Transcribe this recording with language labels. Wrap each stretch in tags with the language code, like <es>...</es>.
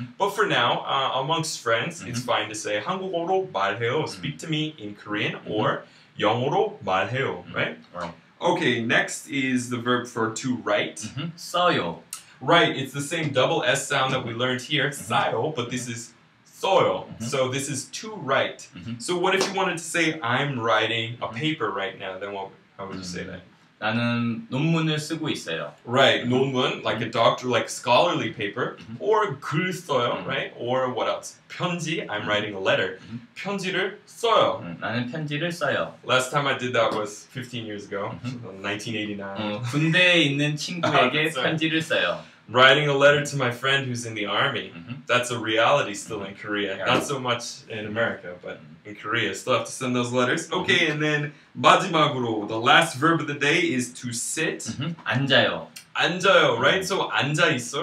<en>But for now, amongst friends, it's fine to say</en> <ko>한국어로 말해요,</ko> <en>speak to me in Korean, or</en> <ko>영어로 말해요,</ko> <en>right? Okay, next is the verb for to write.</en> <ko>써요.</ko> <en>Right, it's the same double S sound that we learned here, 써요, but this is 써요. So this is to write. So what if you wanted to say I'm writing a paper right now? Then what? How would you say that?</en> <ko>나는 논문을 쓰고 있어요.</ko> <en>Right, 논문 like a doctor, like scholarly paper, or</en> <ko>글 써요,</ko> <en>right? Or what else? 편지. I'm writing a letter.</en> <ko>편지를 써요. 나는 편지를 써요.</ko> <en>Last time I did that was 15 years ago, 1989.</en> <ko>군대에 있는 친구에게 편지를 써요.</ko> <en>Writing a letter to my friend who's in the army. Mm-hmm. That's a reality still in Korea. Yeah. Not so much in America, but in Korea. Still have to send those letters. Okay, and then</en> <ko>마지막으로,</ko> <en>the last verb of the day is to sit.</en> <ko>앉아요. 앉아요, right? So 앉아 있어.</ko>